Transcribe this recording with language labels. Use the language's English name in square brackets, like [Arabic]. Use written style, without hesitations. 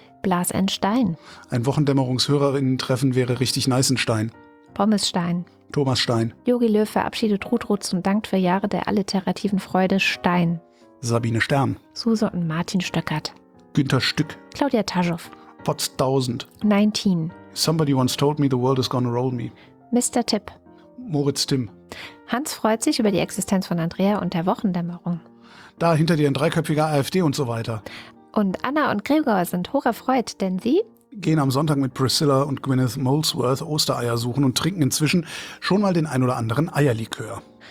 [German] Blas N. Stein. Ein Wochendämmerungshörerinnen-Treffen wäre richtig nice in Stein. Pommes Stein. Thomas Stein. Jogi Löw verabschiedet Ruth und dankt für Jahre der alliterativen Freude Stein. Sabine Stern. Suse und Martin Stöckert. Günter Stück. Claudia Taschow. Potz 1000. 19. [English] Somebody once told me the world is gonna roll me. [German] Mr. Tipp. Moritz Timm. Hans freut sich über die Existenz von Andrea und der Wochendämmerung. Da hinter dir ein dreiköpfiger AfD und so weiter. Und Anna und Gregor sind hoch erfreut, denn sie gehen am Sonntag mit Priscilla und Gwyneth Molesworth Ostereier suchen und trinken inzwischen schon mal den ein oder anderen Eierlikör.